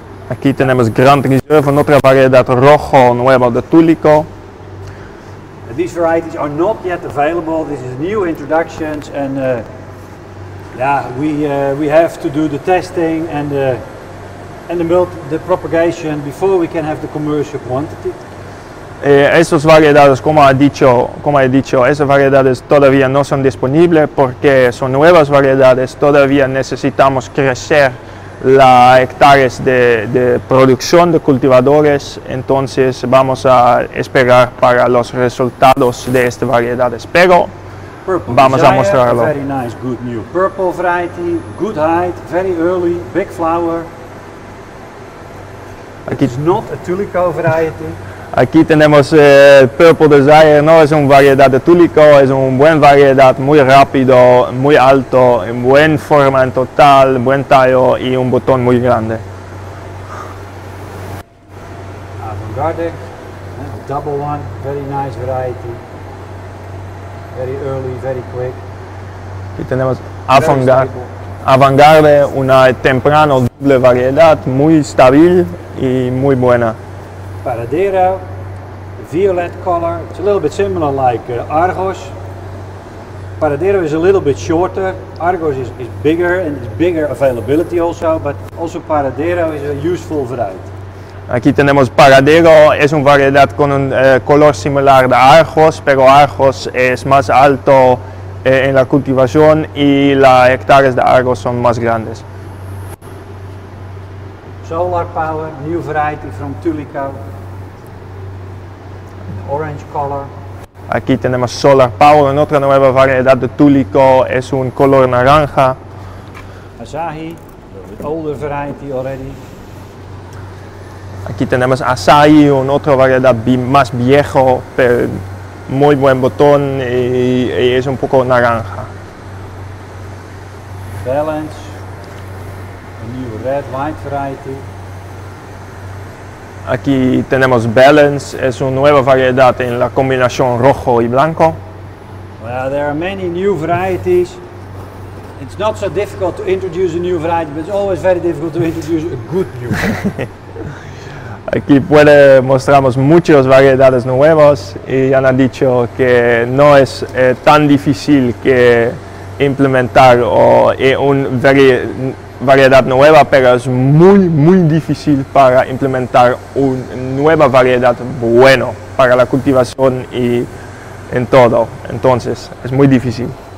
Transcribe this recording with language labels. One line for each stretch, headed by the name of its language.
Spanish: Aquí tenemos Grand Reserve, otra variedad rojo nueva de Tulico.
English: These varieties are not yet available. This is new introductions, and we have to do the testing and the propagation before we can have the commercial quantity.
Spanish: Esas variedades, como he dicho, esas variedades todavía no son disponibles porque son nuevas variedades. Todavía necesitamos crecer la hectáreas de producción de cultivadores, entonces vamos a esperar para los resultados de esta variedad. Espero, vamos a mostrarlo.
English: Very nice, good new. Purple variety, good height, very early, big flower.
Spanish: Aquí,
English: it's not a Tulico variety.
Spanish: Aquí tenemos Purple Desire, no es una variedad de Tulico, es una buena variedad, muy rápido, muy alto, en buena forma en total, buen tallo y un botón muy grande.
English: Avant-garde, double one, very nice variety, very early, very quick.
Spanish: Aquí tenemos Avant-garde, una temprano doble variedad, muy estable y muy buena.
English: Paradero. Violet color, it's a little bit similar like Argos. Paradero is a little bit shorter, Argos is bigger and it's bigger availability also, but also Paradero is a useful variety.
Spanish: Aquí tenemos Paradero, es una variedad con un color similar de Argos, pero Argos es más alto en la cultivación y las hectáreas de Argos son más grandes.
English: Solar power, new variety from Tulico. Orange color.
Spanish: Aquí tenemos Solar Power, en otra nueva variedad de Tulico, es un color naranja.
English: Asahi, the older variety already.
Spanish: Aquí tenemos Asahi, una otra variedad más viejo, pero muy buen botón y es un poco naranja.
English: Balance, a new red white variety.
Spanish: Aquí tenemos Balance, es una nueva variedad en la combinación rojo y blanco.
English: Well, there are many new varieties. It's not so difficult to introduce a new variety, but it's always very difficult to introduce a good new variety.
Spanish: Aquí puede mostramos muchas variedades nuevas y han dicho que no es tan difícil que implementar variedad nueva, pero es muy muy difícil para implementar una nueva variedad bueno para la cultivación y en todo, entonces es muy difícil.